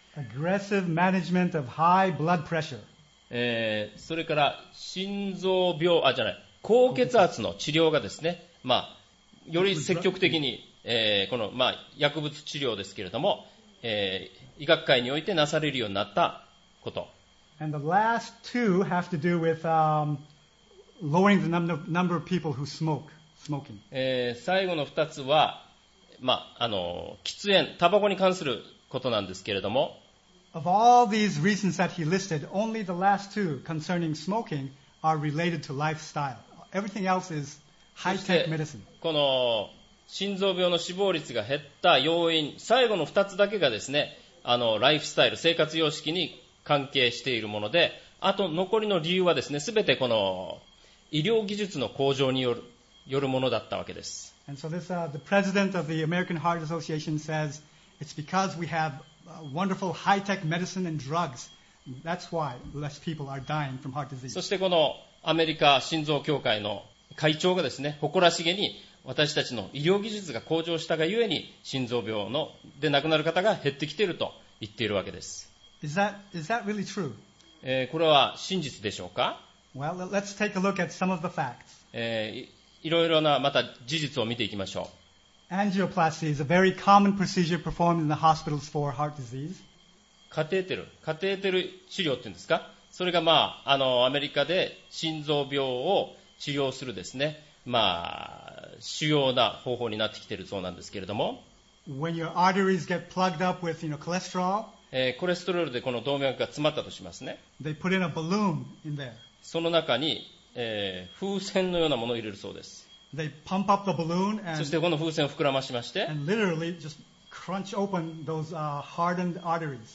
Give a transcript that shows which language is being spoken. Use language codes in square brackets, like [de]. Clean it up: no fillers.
[en] Aggressive management of high blood pressure. [ja] それから心臓病、あ、じゃない、高血圧の治療がですね、まあ、より積極的に、この、まあ、薬物治療ですけれども、医学界においてなされるようになったこと。 [en] And the last two have to do with, lowering the number of people who smoke, smoking. [ja] 最後の2つは、まあ、あの、喫煙、タバコに関することなんですけれども、 [en] Of all these reasons that he listed, only the last two concerning smoking are related to lifestyle. Everything else is high-tech medicine. [ja] この心臓病の死亡率が減った要因、最後の2つだけがですね、あのライフスタイル、生活様式に関係しているもので、あと残りの理由はですね、すべてこの医療技術の向上によ るものだったわけです。 [en] And so this, the president of the American Heart Association says it's because we have wonderful high-tech medicine and drugs. That's why less people are dying from heart disease. [ja] そしてこのアメリカ心臓協会の会長がですね、誇らしげに私たちの医療技術が向上したがゆえに心臓病ので亡くなる方が減ってきていると言っているわけです。 [en] Is that really true? [ja] これは真実でしょうか? [en] Well, let's take a look at some of the facts. [ja] いろいろなまた事実を見ていきましょう。 [en] Angioplasty is a very common procedure performed in the hospitals for heart disease. [ja] カテーテル治療って言うんですか?それがまあ、あの、アメリカで心臓病を治療するですね、まあ、主要な方法になってきているそうなんですけれども。 [en] When your arteries get plugged up with, you know, cholesterol, [ja] コレステロールでこの動脈が詰まったとしますね。 [en] They put in a balloon in there. [ja] その中に、風船のようなものを入れるそうです。 [en] They pump up the balloon and, [ja] そしてこの風船を膨らましまして [en] and literally just crunch open those, hardened arteries.